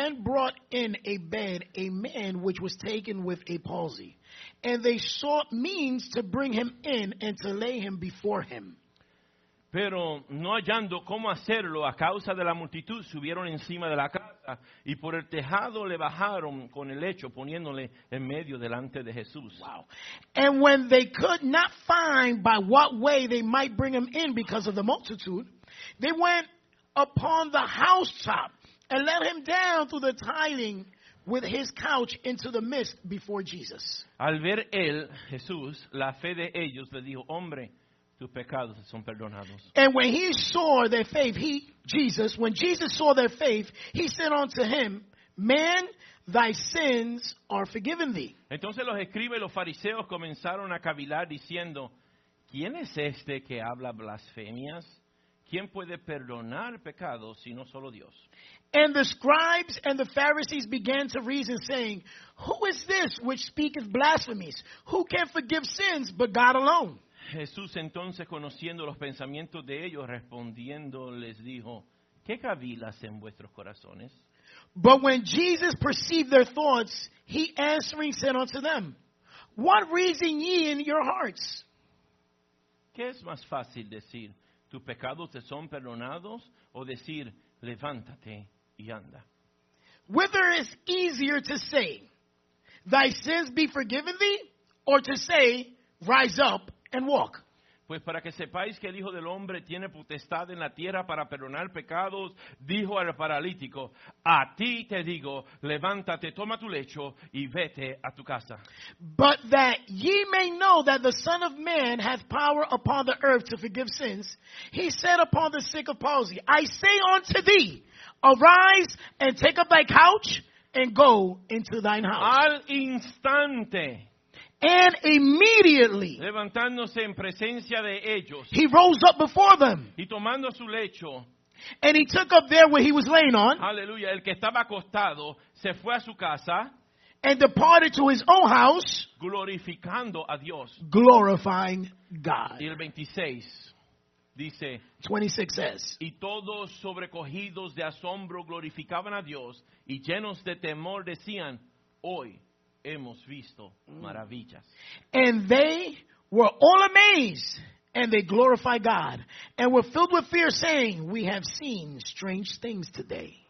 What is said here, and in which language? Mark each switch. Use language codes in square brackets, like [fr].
[en] And behold, men brought in a bed a man which was taken with a palsy. And they sought means to bring him in and to lay him before him. [es] Pero no hallando cómo hacerlo a causa de la multitud, subieron encima de la casa y por el tejado le bajaron con el lecho, poniéndole en medio delante de Jesús. [en] Wow. And when they could not find by what way they might bring him in because of the multitude, they went upon the housetop and let him down through the tiling with his couch into the midst before Jesus. [es] Al ver él, Jesús, la fe de ellos, le dijo, hombre, tus pecados son perdonados. [en] And when he saw their faith, he said unto him, man, thy sins are forgiven thee. [es] Entonces los escribas y los fariseos comenzaron a cavilar diciendo, ¿quién es este que habla blasfemias? ¿Quién puede perdonar pecados si no solo Dios? [en] And the scribes and the Pharisees began to reason, saying, who is this which speaketh blasphemies? Who can forgive sins but God alone? [es] Jesús entonces, conociendo los pensamientos de ellos, respondiendo, les dijo, ¿qué cavilas en vuestros corazones? [en] But when Jesus perceived their thoughts, he answering said unto them, what reason ye in your hearts? [es] ¿Qué es más fácil decir, tus pecados te son perdonados, o decir, levántate y anda? [en] Whether it's easier to say, thy sins be forgiven thee, or to say, rise up and walk? [es] Pues para que sepáis que el Hijo del Hombre tiene potestad en la tierra para perdonar pecados, dijo al paralítico, a ti te digo, levántate, toma tu lecho y vete a tu casa. [en] But that ye may know that the Son of Man hath power upon the earth to forgive sins, he said upon the sick of palsy, I say unto thee, arise and take up thy couch and go into thine house. [es] Al instante. [en] And immediately, [es] levantándose en presencia de ellos, [en] he rose up before them. [es] Y tomando su lecho, [en] and he took up there where he was laying on. Hallelujah. [es] El que estaba acostado se fue a su casa. [en] And departed to his own house, [es] glorificando a Dios, [en] glorifying God. [es] Y el 26 dice, [en] 26 says, [es] y todos sobrecogidos de asombro glorificaban a Dios, y llenos de temor decían, hoy hemos visto maravillas. [en] And they were all amazed, and they glorified God, and were filled with fear, saying, we have seen strange things today.